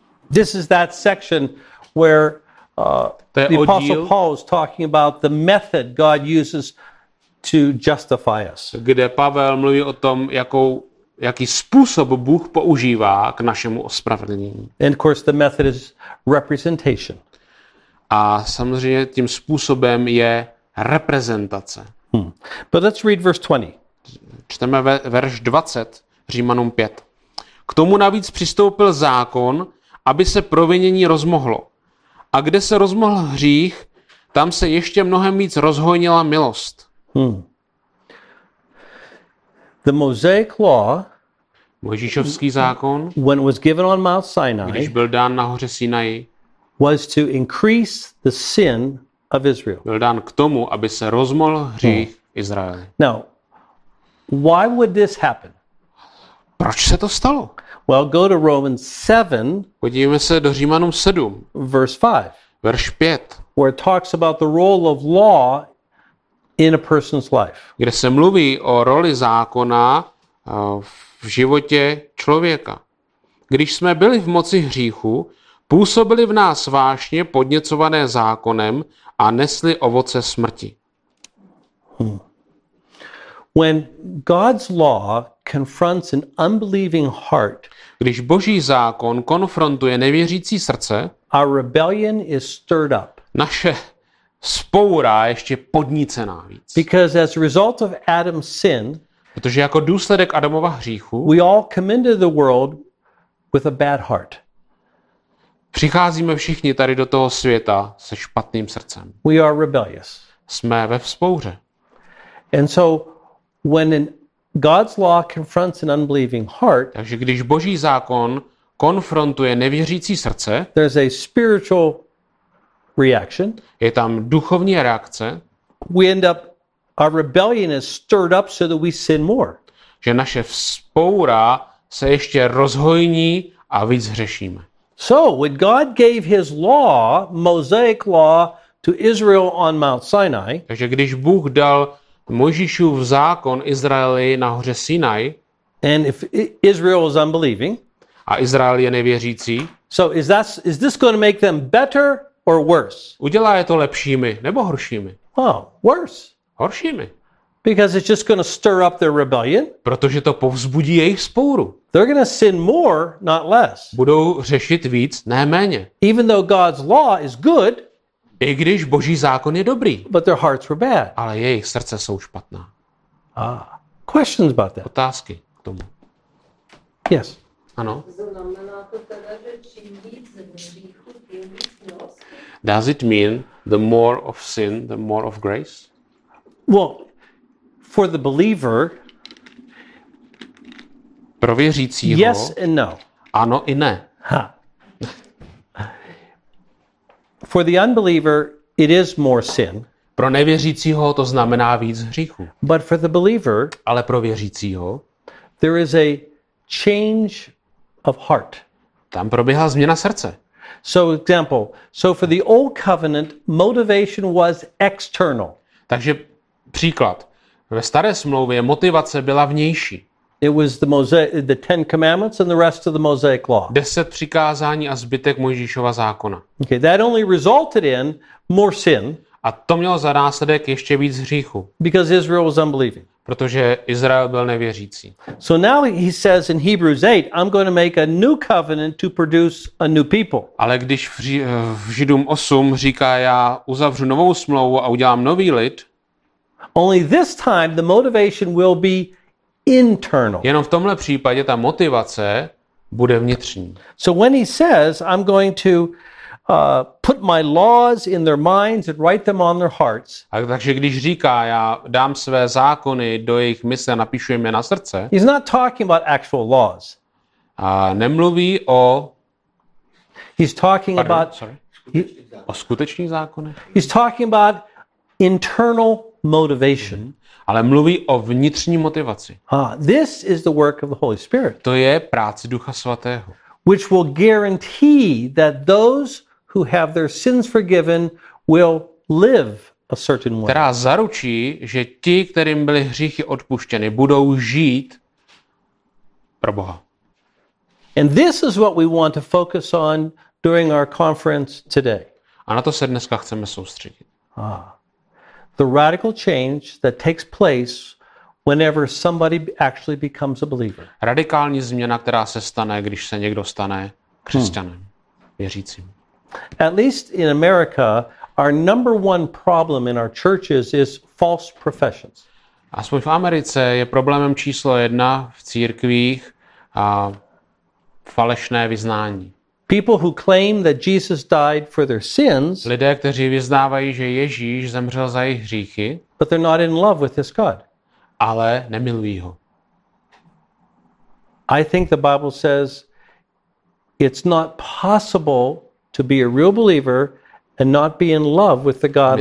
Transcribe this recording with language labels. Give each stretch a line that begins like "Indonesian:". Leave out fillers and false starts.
English: This is that section where the apostle Paul is talking about the method God uses to justify us.
Czech: Kde Pavel mluví o tom, jaký způsob Bůh používá k našemu ospravedlnění.
English: And of course the method is representation.
Czech: A samozřejmě tím způsobem je reprezentace.
English: But let's read verse 20.
Czech: Čteme verš 20 Římanům 5. K tomu navíc přistoupil zákon, aby se provinění rozmohlo. A kde se rozmohl hřích, tam se ještě mnohem víc rozhojnila milost.
English: The Mosaic law,
Czech: Mojžíšovský zákon,
English: when was given on Mount Sinai,
Czech: když byl dán na hoře Sinai,
English: was to increase the sin of Israel.
Czech: Byl dán k tomu, aby se rozmohl hřích Izraeli.
English: Now, why would this happen?
Czech: Proč se to stalo?
English: Well, go to Romans 7.
Czech: Podívejme se do Římanům 7.
English: Verse 5.
Czech: Verš 5.
English: Where it talks about the role of law in a person's life.
Czech: Kde se mluví o roli zákona v životě člověka. Když jsme byli v moci hříchu, působili v nás vášně podněcované zákonem a nesli ovoce smrti.
English: When God's law confronts an unbelieving heart,
Czech: když Boží zákon konfrontuje nevěřící srdce,
English: our rebellion is stirred up.
Czech: Naše spoura ještě podnícená víc.
English: Because as a result of Adam's sin,
Czech: protože jako důsledek Adamova hříchu,
English: we all come into the world with a bad heart.
Czech: Přicházíme všichni tady do toho světa se špatným srdcem.
English: We are rebellious.
Czech: Jsme ve vzpouře.
English: And so when God's law confronts an unbelieving heart,
Czech: takže když Boží zákon konfrontuje nevěřící srdce,
English: there's a spiritual reaction.
Czech: Je tam duchovní reakce.
English: We end up, our rebellion is stirred up so that we sin more.
Czech: Že naše vzpoura se ještě rozhojní a víc hřešíme.
English: So when God gave his law, Mosaic law, to Israel on Mount Sinai,
Czech: takže když Bůh dal Mojžíšův zákon Izraeli na hoře Sinai,
English: and if Israel is unbelieving,
Czech: a Izrael je nevěřící,
English: so is this going to make them better or worse?
Czech: Udělá je to lepšími nebo horšími?
English: Oh, worse.
Czech: Horšími.
English: Because it's just going to stir up their rebellion.
Czech: Protože to povzbudí jejich spouru.
English: They're going to sin more, not less.
Czech: Budou řešit víc, ne méně.
English: Even though God's law is good,
Czech: i když Boží zákon je dobrý,
English: but their hearts were bad.
Czech: Ale jejich srdce jsou špatná.
English: Ah, questions about that.
Czech: Otázky k tomu.
English: Yes.
Czech: Ano. Znamená to teda, že čím víc hříchu, tím víc milosti?
English: Does it mean the more of sin, the more of grace? Well, for the believer,
Czech: pro věřícího,
English: yes and no.
Czech: Ano i ne. Ha.
English: For the unbeliever, it is more sin.
Czech: Pro nevěřícího to znamená víc hříchu.
English: But for the believer,
Czech: ale pro věřícího,
English: there is a change of heart.
Czech: Tam probíhá změna srdce.
English: So example, so for the old covenant, motivation was external.
Czech: Takže příklad. Ve staré smlouvě motivace byla vnější.
English: It was the Ten Commandments and the rest of the Mosaic law.
Czech: 10 přikázání a zbytek Mojžíšova zákona.
English: Okay, that only resulted in more sin.
Czech: A to mělo za následek ještě víc hříchu.
English: Because Israel was unbelieving.
Czech: Protože Izrael byl nevěřící.
English: So now he says in Hebrews 8, I'm going to make a new covenant to produce a new people.
Czech: Ale když v Židům 8 říká, já uzavřu novou smlouvu a udělám nový lid.
English: Only this time the motivation will be internal.
Czech: Jenom v tomhle případě ta motivace bude vnitřní.
English: So when he says, I'm going to put my laws in their minds and write them on their hearts.
Czech: Takže když říká, já dám své zákony do jejich mysle a napíšu jim je na srdce.
English: He's not talking about actual laws.
Czech: A nemluví o
English: He's talking about
Czech: o skutečných zákonech.
English: He's talking about internal motivation.
Czech: Ale mluví o vnitřní motivaci.
English: This is the work of the Holy Spirit.
Czech: To je práce Ducha Svatého.
English: Which will guarantee that those who have their sins forgiven will live a certain way.
Czech: Která zaručí, že ti, kterým byly hříchy odpuštěny, budou žít pro Boha.
English: And this is what we want to focus on during our conference today.
Czech: A na to se dneska chceme soustředit.
English: The radical change that takes place whenever somebody actually becomes a believer.
Czech: Radikální změna, která se stane, když se někdo stane křesťanem, věřícím.
English: At least in America, our number one problem in our churches is false professions.
Czech: Aspoň v Americe je problémem číslo jedna v církvích a falešné vyznání.
English: People who claim that Jesus died for their sins.
Czech: Lidé, kteří vyznávají, že Ježíš zemřel za jejich hříchy.
English: But they're not in love with this God.
Czech: Ale nemilují ho.
English: I think the Bible says it's not possible to be a real believer and not be in love with the God